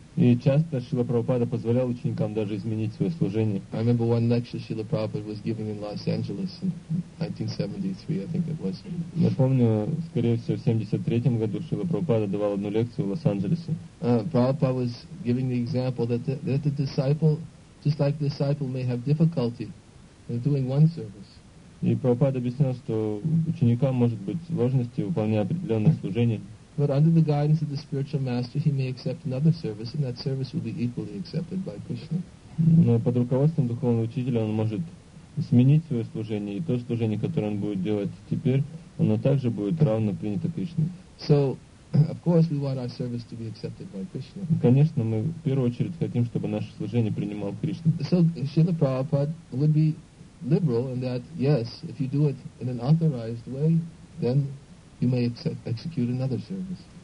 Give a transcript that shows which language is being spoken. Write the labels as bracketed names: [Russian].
[Russian] И часто Шрила Прабхупада позволял ученикам даже изменить свое служение. [English] I remember one lecture Srila Prabhupada was giving in Los Angeles in 1973, I think it was. [Russian] Я помню, скорее всего, в 73-м году Шрила Прабхупада давал одну лекцию в Лос-Анджелесе. [English] Prabhupada was giving the example that the disciple, just like the disciple may have difficulty in doing one service. [Russian] И Прабхупада объяснял, что ученикам может быть сложности выполнять определенное служение. [English] But under the guidance of the spiritual master, he may accept another service, and that service will be equally accepted by Krishna. [Russian] Но под руководством духовного учителя он может сменить свое служение, и то служение, которое он будет делать теперь, оно также будет равно принято Кришной. [English] So, of course, we want our service to be accepted by Krishna. [Russian] Конечно, мы в первую очередь хотим, чтобы наше служение принимал Кришна. [English] So, Srila Prabhupada would be liberal in that, yes, if you do it in an authorized way, then you may execute another service.